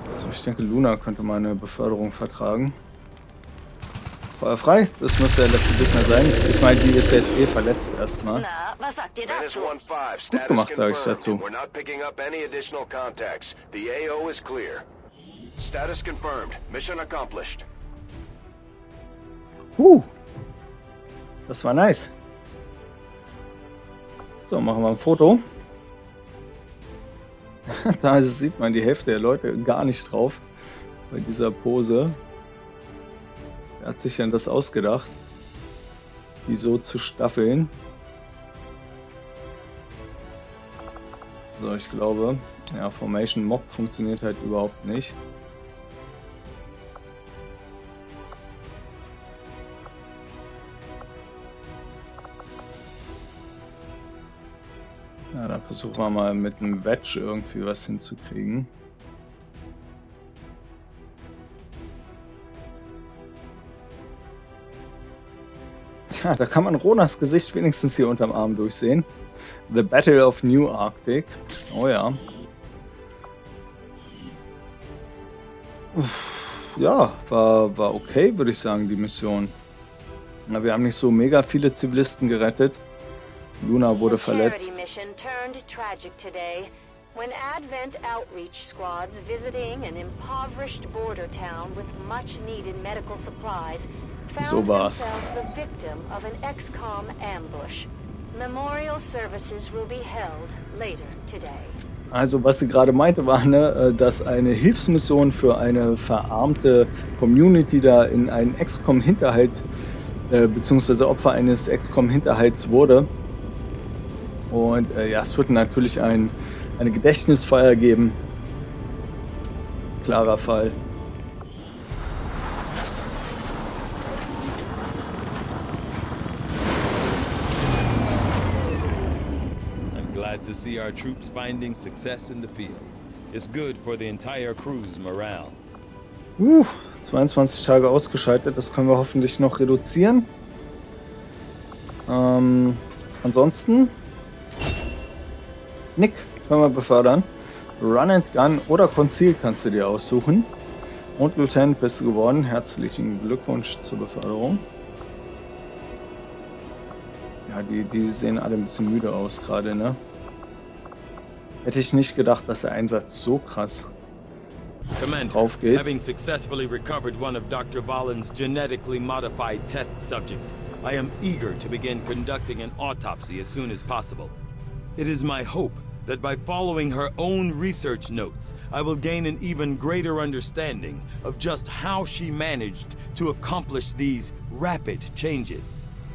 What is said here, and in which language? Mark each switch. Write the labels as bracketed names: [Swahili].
[German] Ich denke, Luna könnte meine Beförderung vertragen. Feuer frei, das müsste der letzte Gegner sein. Ich meine, die ist jetzt eh verletzt erstmal. Na, was sagt ihr dazu? Gut gemacht, sage ich dazu. [English] We're not picking up any additional contacts. The AO is clear. Status confirmed. Mission accomplished. [German] Das war nice. So, machen wir ein Foto. Da sieht man die Hälfte der Leute gar nicht drauf bei dieser Pose. Wer hat sich denn das ausgedacht, die so zu staffeln? So, ich glaube, ja, Formation Mob funktioniert halt überhaupt nicht. Na, dann versuchen wir mal mit einem Wedge irgendwie was hinzukriegen. Tja, da kann man Ronas Gesicht wenigstens hier unterm Arm durchsehen. [English] The Battle of New Arctic. [German] Oh ja. Ja, war okay, würde ich sagen, die Mission. Na, wir haben nicht so mega viele Zivilisten gerettet. Luna wurde verletzt. [English] Charity mission turned tragic today when Advent outreach squads visiting an impoverished border town with much needed medical supplies found themselves the victim of an XCOM ambush. Memorial services will be held later today. [German] Also, was sie gerade meinte, war, ne, dass eine Hilfsmission für eine verarmte Community da in einen XCOM-Hinterhalt beziehungsweise Opfer eines XCOM-Hinterhalts wurde. Und ja, es wird natürlich eine Gedächtnisfeier geben. Klarer Fall. [English] I'm glad to see our troops finding success in the field. It's good for the entire crew's morale. [German] 22 Tage ausgeschaltet, das können wir hoffentlich noch reduzieren. Ansonsten. Nick, können wir befördern. Run and Gun oder Conceal kannst du dir aussuchen. Und Lieutenant bist du geworden. Herzlichen Glückwunsch zur Beförderung. Ja, die sehen alle ein bisschen müde aus gerade, ne? Hätte ich nicht gedacht, dass der Einsatz so krass aufgeht. [English] Having successfully recovered one of Dr. Valen's genetically modified test subjects, I am eager to begin conducting an autopsy as soon as possible. It is my hope that by following her own research notes, I will gain an even greater understanding of just how she managed to accomplish these rapid changes.